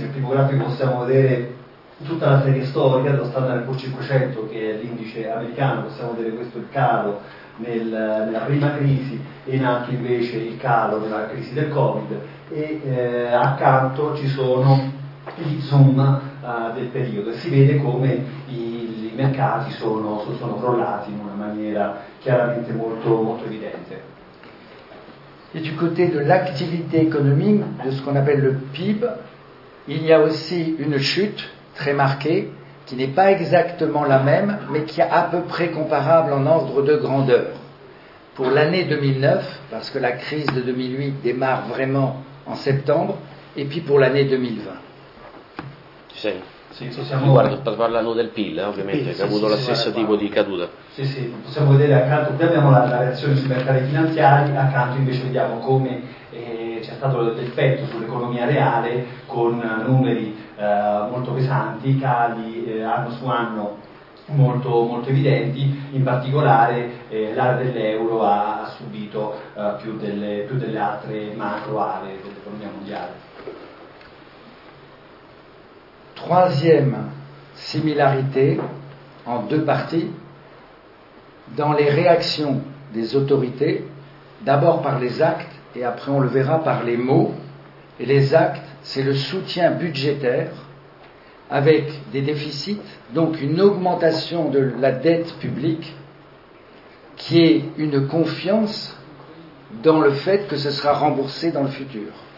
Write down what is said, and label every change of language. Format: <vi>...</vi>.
<it>Nel primo grafico possiamo vedere tutta la serie storica dello Standard & Poor's 500, che è l'indice americano, possiamo vedere questo il calo nella prima crisi e in alto invece il calo della crisi del Covid, e accanto ci sono i zoom del periodo, e si vede come i mercati sono crollati in una maniera chiaramente molto, molto evidente.</it> <fr>Et du côté de l'activité économique, de ce qu'on appelle le PIB, il y a aussi une chute très marquée, qui n'est pas exactement la même, mais qui est à peu près comparable en ordre de grandeur. Pour l'année 2009, parce que la crise de 2008 démarre vraiment en septembre, et puis pour l'année 2020.</fr> <it>Sì. Sì, guarda, parlando del PIL, ovviamente, che ha avuto lo stesso tipo di caduta. Sì, sì, possiamo vedere accanto, qui abbiamo la reazione sui mercati finanziari, accanto invece vediamo come c'è stato l'effetto sull'economia reale con numeri molto pesanti, cali anno su anno molto, molto evidenti, in particolare l'area dell'euro ha subito più delle altre macro aree dell'economia mondiale.</it> <fr>Troisième similarité, en deux parties, dans les réactions des autorités, d'abord par les actes, et après on le verra par les mots, et les actes, c'est le soutien budgétaire, avec des déficits, donc une augmentation de la dette publique, qui est une confiance dans le fait que ce sera remboursé dans le futur.</fr>